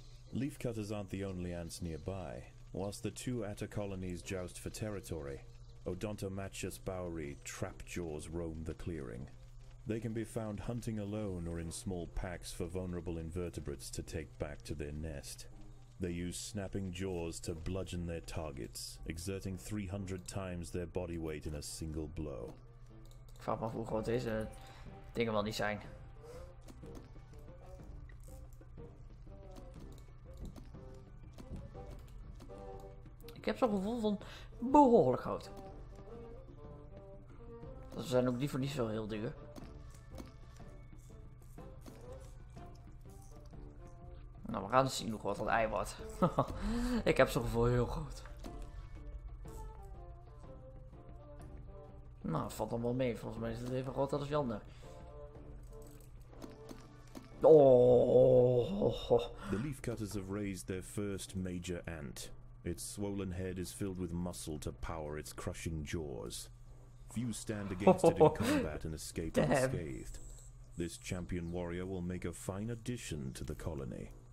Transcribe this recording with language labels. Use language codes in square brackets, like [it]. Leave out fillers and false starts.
[en] Leafcutters aren't the only ants nearby. Whilst the two Atta colonies joust for territory, Odontomachus Bowery trap jaws roam the clearing. They can be found hunting alone or in small packs for vulnerable invertebrates to take back to their nest. They use snapping jaws to bludgeon their targets, exerting 300 times their body weight in a single blow. [nl] Ik vraag me af hoe groot deze dingen wel niet zijn. Ik heb zo'n gevoel van behoorlijk groot. Ze zijn ook niet voor niet zo heel duur. Nou, we gaan zien hoe groot dat ei wordt. Ik heb zo'n gevoel heel groot. Nou, valt allemaal mee. Volgens mij is het even groot als Jander. Oh. [en] The leafcutters have raised their first major ant. Its swollen head is filled with muscle to power its crushing jaws. Few stand against it in combat and escape unscathed. This champion warrior will make a fine addition to the colony.